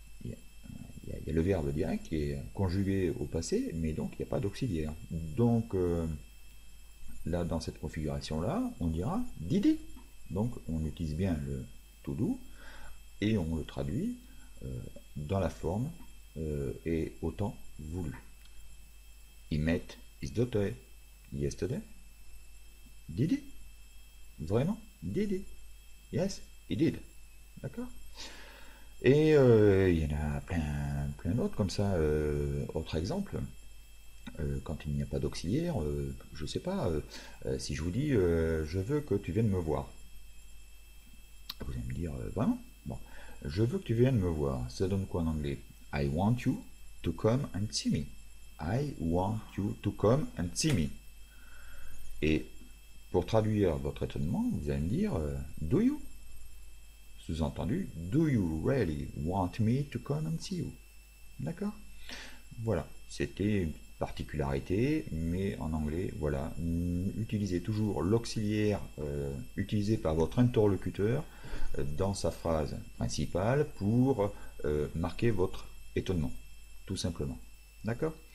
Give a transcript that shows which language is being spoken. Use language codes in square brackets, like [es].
[fr] Il y a le verbe direct qui est conjugué au passé, mais donc il n'y a pas d'auxiliaire. Donc là, dans cette configuration-là, on dira Didi. Donc on utilise bien le to do et on le traduit dans la forme et au temps voulu. [en] He met his daughter yesterday. [fr] Didi? Vraiment? Didi? [en] Yes, he did. [fr] D'accord? Et il y en a plein d'autres comme ça. Autre exemple, quand il n'y a pas d'auxiliaire, je ne sais pas, si je vous dis je veux que tu viennes me voir. Vous allez me dire vraiment? Bon, je veux que tu viennes me voir. Ça donne quoi en anglais? [en] I want you to come and see me. I want you to come and see me. [fr] Et pour traduire votre étonnement, vous allez me dire [en] do you? [fr] Sous-entendu, [en] do you really want me to come and see you? [fr] D'accord? Voilà, c'était une particularité, mais en anglais, voilà, utilisez toujours l'auxiliaire utilisé par votre interlocuteur dans sa phrase principale pour marquer votre étonnement, tout simplement. D'accord?